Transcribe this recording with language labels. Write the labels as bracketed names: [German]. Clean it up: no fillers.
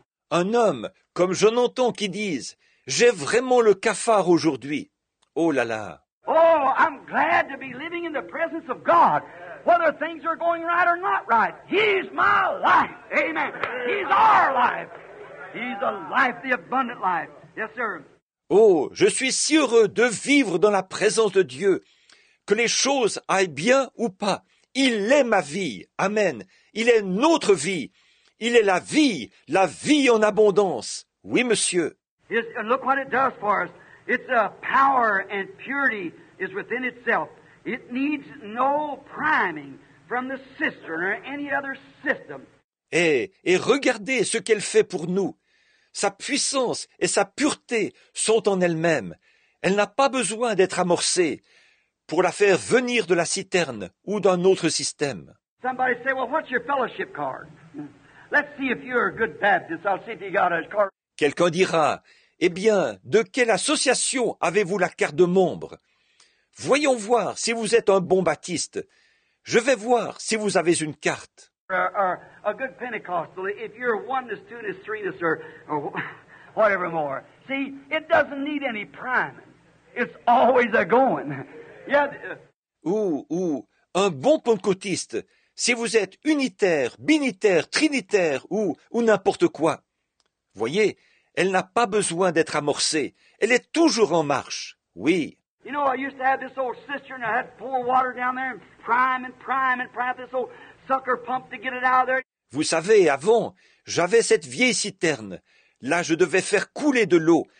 [French] Un homme, comme je n'entends qui disent, j'ai vraiment le cafard aujourd'hui. Oh là là. [English] Oh, I'm glad to be living in the presence of God. Whether things are going right or not right, He's my life. Amen. He's our life. He's the life, the abundant life. Yes, sir. [French] Oh, je suis si heureux de vivre dans la présence de Dieu, que les choses aillent bien ou pas. Il est ma vie. Amen. Il est notre vie. Il est la vie en abondance. Oui, monsieur. [English] And look what it does for us. Its power and purity is within itself. It needs no priming from the cistern or any other system. [French] Et regardez ce qu'elle fait pour nous. Sa puissance et sa pureté sont en elle-même. Elle n'a pas besoin d'être amorcée pour la faire venir de la citerne ou d'un autre système. [English] Somebody say, well, what's your fellowship card? Let's see if you're a good Baptist. I'll see if you got a card. [French] Quelqu'un dira, eh bien, de quelle association avez-vous la carte de membre? Voyons voir si vous êtes un bon baptiste. Je vais voir si vous avez une carte. [English] A good Pentecostal, if you're oneness, two-ness, three-ness, or whatever more. See, it doesn't need any priming. It's always a going. Yeah. [French] Ou un bon pentecôtiste, si vous êtes unitaire, binitaire, trinitaire, ou n'importe quoi. Voyez, elle n'a pas besoin d'être amorcée. Elle est toujours en marche. Oui. [English] You know, I used to have this old cistern. I had to pour water down there and prime this old sucker pump to get it out of there. [French] Vous savez, avant, j'avais cette vieille citerne. Là, je devais faire couler de l'eau.